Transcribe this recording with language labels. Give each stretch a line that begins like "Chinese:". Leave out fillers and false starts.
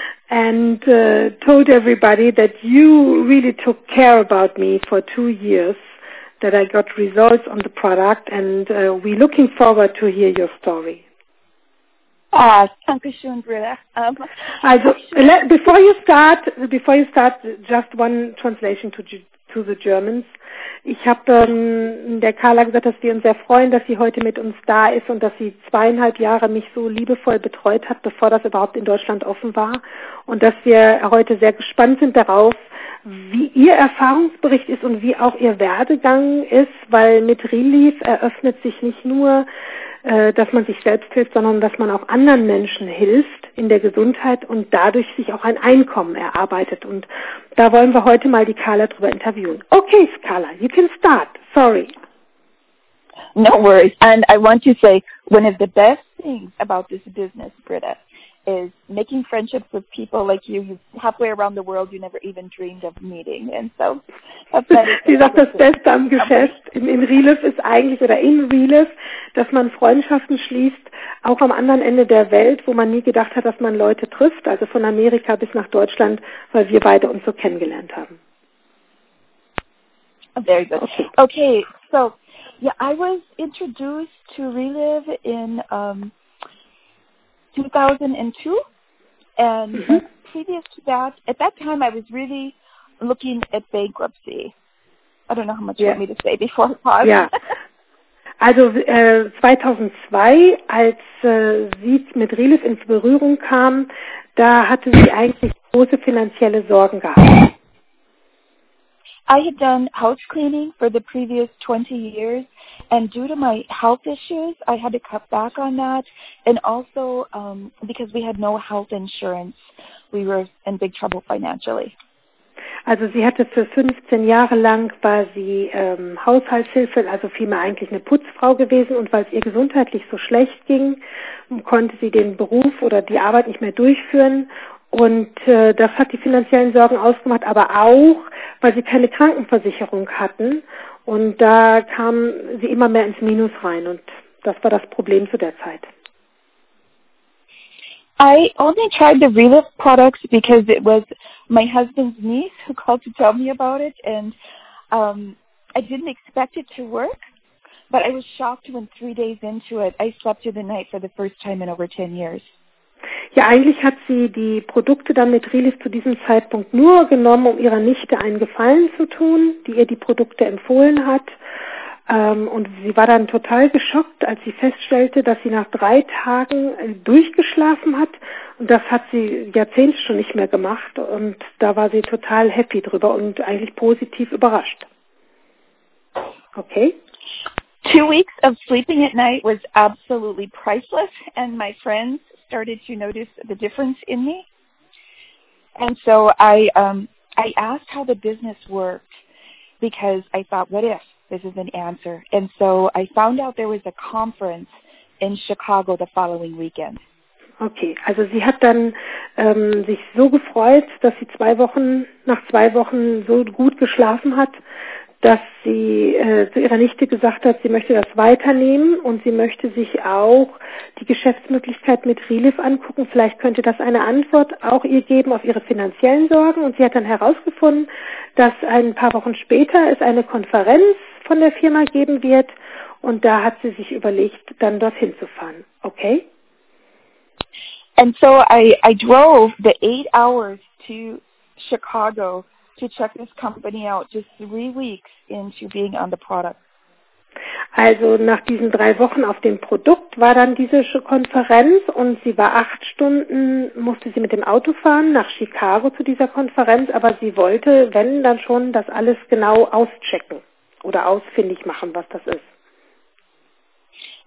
English: And told everybody that you really took care about me for 2 years, that I got results on the product, and we're looking forward to hear your story.
German: Danke schön, Britta.
English: Also, before you start, just one translation to the Germans.
German: Ich habe der Carla gesagt, dass wir uns sehr freuen, dass sie heute mit uns da ist und dass sie 2,5 Jahre mich so liebevoll betreut hat, bevor das überhaupt in Deutschland offen war. Und dass wir heute sehr gespannt sind darauf, wie ihr Erfahrungsbericht ist und wie auch ihr Werdegang ist, weil mit Relief eröffnet sich nicht nur, dass man sich selbst hilft, sondern dass man auch anderen Menschen hilft in der Gesundheit und dadurch sich auch ein Einkommen erarbeitet. Und da wollen wir heute mal die Carla drüber interviewen.
English: Okay, Carla, you can start. Sorry. No worries. And I want to say, one of the best things about this business, Britta, is making friendships with people like you. You're halfway around the world, you never even dreamed of meeting. And so,
German: sie sagt, das Beste am Geschäft in Relief ist eigentlich, oder in Relief, dass man Freundschaften schließt, auch am anderen Ende der Welt, wo man nie gedacht hat, dass man Leute trifft, also von Amerika bis nach Deutschland, weil wir beide uns so kennengelernt haben.
English: Very good. Okay, so, yeah, I was introduced to Relief in 2002, and previous to that, at that time I was really looking at bankruptcy. I don't know how much you want me to say before I pause. Yeah.
German: Also 2002, als sie mit Relief in Berührung kam, da hatte sie eigentlich große finanzielle Sorgen gehabt.
English: I had done house cleaning for the previous 20 years, and due to my health issues, I had to cut back on that, and also because we had no health insurance, we were in big trouble financially.
German: Also sie hatte für 15 Jahre lang quasi Haushaltshilfe, also vielmehr eigentlich eine Putzfrau gewesen, und weil es ihr gesundheitlich so schlecht ging, konnte sie den Beruf oder die Arbeit nicht mehr durchführen. Und das hat die finanziellen Sorgen ausgemacht, aber auch, weil sie keine Krankenversicherung hatten. Und da kam sie immer mehr ins Minus rein. Und das war das Problem zu der Zeit.
English: I only tried the Relief products because it was my husband's niece who called to tell me about it. And I didn't expect it to work, but I was shocked when 3 days into it, I slept through the night for the first time in over 10 years.
German: Ja, eigentlich hat sie die Produkte dann mit Relief zu diesem Zeitpunkt nur genommen, um ihrer Nichte einen Gefallen zu tun, die ihr die Produkte empfohlen hat. Und sie war dann total geschockt, als sie feststellte, dass sie nach 3 Tagen durchgeschlafen hat. Und das hat sie Jahrzehnte schon nicht mehr gemacht. Und da war sie total happy drüber und eigentlich positiv überrascht.
English: Okay. 2 weeks of sleeping at night was absolutely priceless, and my friends started to notice the difference in me. And so I asked how the business worked, because I thought, what if this is an answer? And so I found out there was a conference in Chicago the following weekend.
German: Okay, also sie hat dann sich so gefreut, dass sie nach zwei Wochen so gut geschlafen hat, dass sie zu ihrer Nichte gesagt hat, sie möchte das weiternehmen und sie möchte sich auch die Geschäftsmöglichkeit mit Relief angucken. Vielleicht könnte das eine Antwort auch ihr geben auf ihre finanziellen Sorgen. Und sie hat dann herausgefunden, dass ein paar Wochen später es eine Konferenz von der Firma geben wird. Und da hat sie sich überlegt, dann dorthin zu fahren. Okay?
English: And so I drove the 8 hours to Chicago to check this company out just 3 weeks into being on the product.
German: Also nach diesen 3 Wochen auf dem Produkt war dann diese Konferenz und sie war 8 Stunden, musste sie mit dem Auto fahren nach Chicago zu dieser Konferenz, aber sie wollte, wenn dann schon, das alles genau auschecken oder ausfindig machen, was das ist.